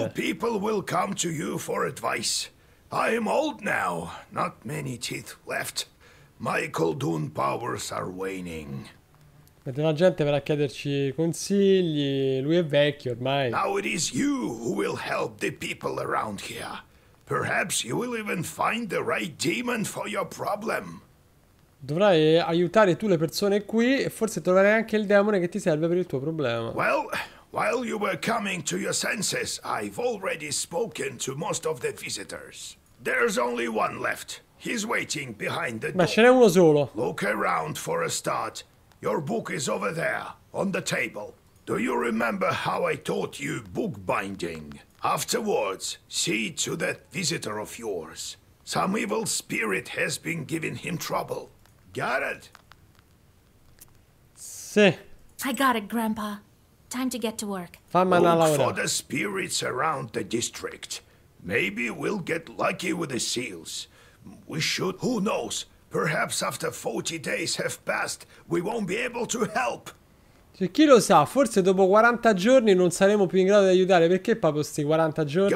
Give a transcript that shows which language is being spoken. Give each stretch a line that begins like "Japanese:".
English: Now people will come to you for advice. I am old now, not many teeth left. My Khaldun powers are waning.
Italian: Vedete, la gente verrà a chiederci consigli, lui è vecchio ormai.
English: Now it is you who will help the people around here. Perhaps you will even find the right demon for your problem.
Italian: Dovrai aiutare tu le persone qui e forse troverai anche il demone che ti serve per il tuo problema.
English: Well, while you were coming to your senses, I've already spoken to most of the visitors. There's only one left. He's waiting behind the door.
Italian: Ma ce n'è uno solo.
English: Look around for a start. Your book is over there, on the table. Do you remember how I taught you bookbinding? Afterwards, see to that visitor of yours. Some evil spirit has been giving him trouble. Got it?
Italian: Sì.
English: I got it, Grandpa. Time to get to work.
Italian: Fammi una
English: look for the spirits around the district. Maybe we'll get lucky with the seals. We should, who knows? Perhaps after 40 days have passed, we won't be able to help.
Italian: Cioè, chi lo sa, forse dopo 40 giorni non saremo più in grado di aiutare. Perché proprio sti 40 giorni?